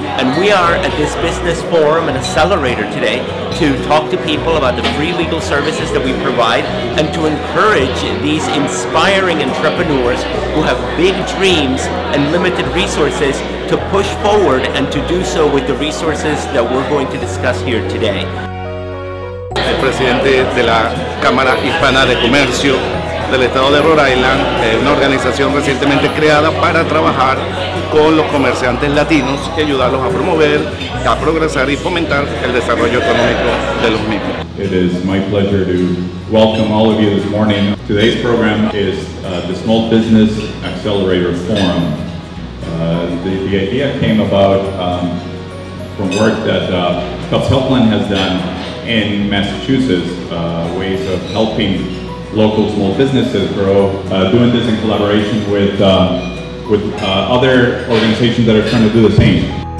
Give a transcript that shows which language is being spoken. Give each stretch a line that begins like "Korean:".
English: And we are at this business forum and accelerator today to talk to people about the free legal services that we provide and to encourage these inspiring entrepreneurs who have big dreams and limited resources to push forward and to do so with the resources that we're going to discuss here today.
Spanish: El presidente de la Cámara Hispana de Comercio del Estado de Rhode Island, una organización recientemente creada para trabajar con los comerciantes latinos y ayudarlos a promover, a progresar y fomentar el desarrollo económico de los mismos.
English: It is my pleasure to welcome all of you this morning. Today's program is the Small Business Accelerator Forum. The idea came about from work that Cubs Helpline has done in Massachusetts, ways of helping local small businesses grow, doing this in collaboration with other organizations that are trying to do the same.